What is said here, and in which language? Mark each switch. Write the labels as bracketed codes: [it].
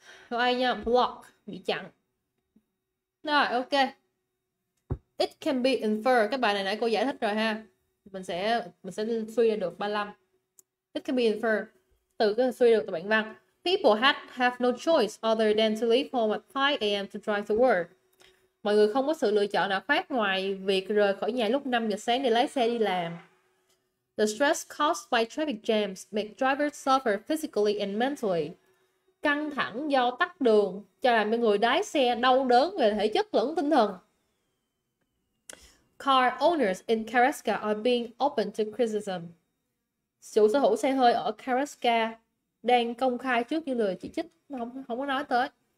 [vi] Câu ai nha, block bị chặn rồi, ok. [en] It can be inferred, [vi] cái bài này nãy cô giải thích rồi ha, mình sẽ suy ra được 35. [en] It can be inferred [vi] từ cái suy được từ bản văn. [en] People have no choice other than to leave home at 5 a.m. to drive to work. [vi] Mọi người không có sự lựa chọn nào khác ngoài việc rời khỏi nhà lúc 5 giờ sáng để lái xe đi làm. [en] The stress caused by traffic jams make drivers suffer physically and mentally. [vi] Căng thẳng do tắc đường cho làm cho người lái xe đau đớn về thể chất lẫn tinh thần. [en] Car owners in Karaska are being open to criticism. [vi] Chủ sở hữu xe hơi ở Karaska đang công khai trước những lời chỉ trích, không có nói tới.